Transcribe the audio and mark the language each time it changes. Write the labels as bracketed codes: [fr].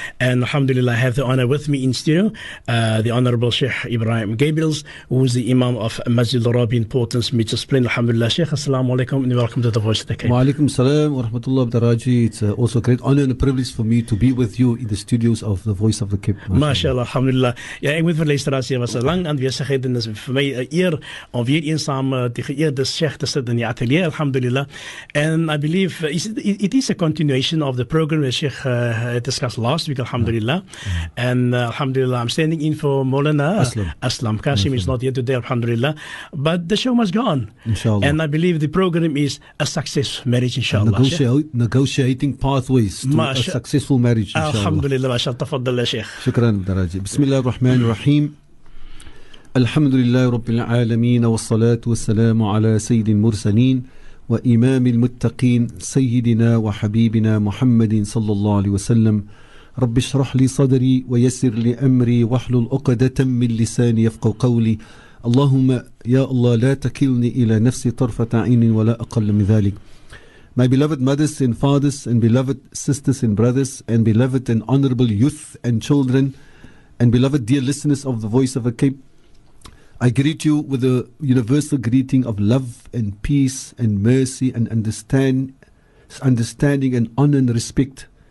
[en] And alhamdulillah, I have the honor with me in studio, the Honorable Sheikh Ebrahim Gabriels, who is the Imam of Masjid al-Rabi in Portland, Mitchell's Plain. Alhamdulillah, Sheikh. [ar] Assalamu alaikum [en] and welcome to the Voice of the Cape. [ar] Wa alaikum salam wa rahmatullahi wa barakatuh. [en] It's also a great honor and a privilege for me to be with you in the studios of the Voice of the Cape. [ar] MashaAllah, alhamdulillah. [af] Ja, ek moet vir luisteraars sê, was 'n lang aanwesigheid en is vir my 'n eer om weer eensaam die geëerde Sheikh te sit in die ateljee. [ar] Alhamdulillah. [en] And I believe it is a continuation of the program that Sheikh discussed last week, alhamdulillah. Yeah. And alhamdulillah, I'm standing in for Molana Aslam. Kashim is not here today, alhamdulillah. But the show must go on. [ar] Inshallah. [en] And I believe the program is a success marriage, inshallah. Negotiating pathways to a successful marriage, inshallah. [ar] Alhamdulillah, mashallah, tafaddala, Sheikh. Shukran, Daraji. Bismillah ar-Rahman ar-Rahim. الحمد لله رب العالمين والصلاة والسلام على سيد المرسلين وإمام المتقين سيدنا وحبيبنا محمد صلى الله عليه وسلم رب اشرح لي صدري ويسر لي أمري واحلل عقدة من لساني يفقه قولي اللهم يا الله لا تكلني إلى نفسي طرفة عين ولا أقل من ذلك. [en] My beloved mothers and fathers and beloved sisters and brothers and beloved and honorable youth and children and beloved dear listeners of the Voice of the Cape, I greet you with a universal greeting of love and peace and mercy and understanding and honor and respect.